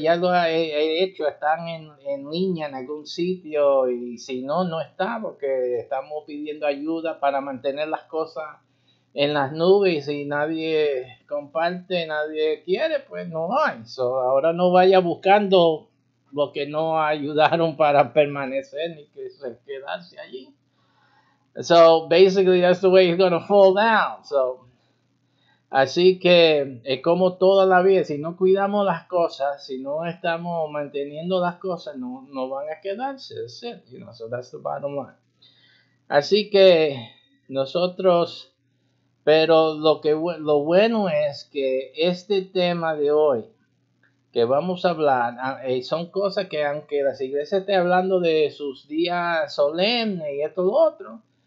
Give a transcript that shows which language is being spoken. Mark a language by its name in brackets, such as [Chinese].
[Spanish] Ya lo he hecho, están en línea en algún sitio, y si no, no está, porque estamos pidiendo ayuda para mantener las cosas en las nubes, y nadie comparte, nadie quiere, pues no hay. So, ahora no vaya buscando lo que no ayudaron para permanecer ni que se quedase allí. [English] So basically that's the way it's going to fall down. [Spanish] So así que es como toda la vida, si no cuidamos las cosas, si no estamos manteniendo las cosas, no van a quedarse. [English] That's it, you know. So that's the bottom line. [Spanish] Así que nosotros, pero lo bueno es que este tema de hoy que vamos a hablar, son cosas que aunque las iglesias estén hablando de sus días solemnes y esto y lo otro,